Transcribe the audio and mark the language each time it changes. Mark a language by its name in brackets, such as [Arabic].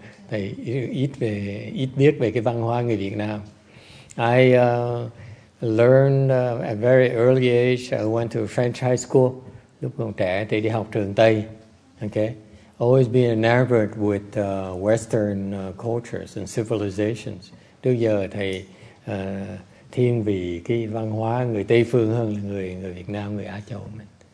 [Vietnamese] Thầy ít biết về cái văn hóa người Việt Nam. [English] I learned at very early age. I went to a French high school. [Vietnamese] Lúc còn trẻ thì đi học trường Tây. [English] Okay. Always been enamored with Western cultures and civilizations. [Vietnamese] Trước giờ thầy thiên vị cái văn hóa người Tây phương hơn là người Việt Nam, người Á Châu mình.